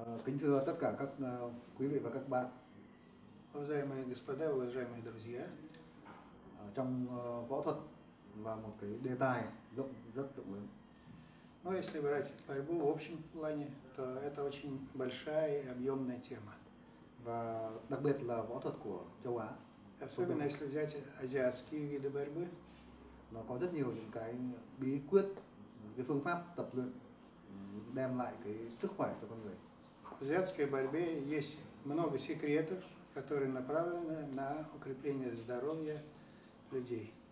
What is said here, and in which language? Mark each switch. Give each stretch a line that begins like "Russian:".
Vietnamese: Kính thưa tất cả các quý vị và các bạn,
Russian: уважаемые господа, уважаемые друзья,
Vietnamese: trong võ thuật là một cái đề tài rất rộng lớn.
Russian: Но если брать борьбу в общем плане, то это очень большая и объемная тема.
Vietnamese: Và đặc biệt là võ thuật của châu Á.
Russian: Особенно если взять азиатские виды борьбы.
Vietnamese: Nó có rất nhiều những cái bí quyết, cái phương pháp tập luyện đem lại cái sức khỏe cho con người.
Russian: В азиатской борьбе есть много секретов, которые направлены на укрепление здоровья людей.